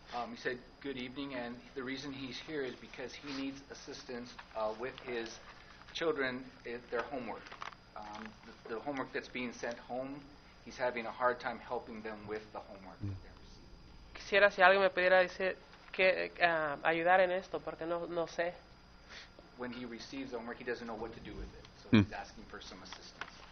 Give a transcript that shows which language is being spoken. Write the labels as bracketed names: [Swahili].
[English] He said good evening, and the reason he's here is because he needs assistance with his children, their homework. The homework that's being sent home, he's having a hard time helping them with the homework that they're receiving. [Spanish] Quisiera si alguien me pudiera decir que ayudar en esto, porque no sé. [English] When he receives homework, he doesn't know what to do with it, so he's asking for some assistance.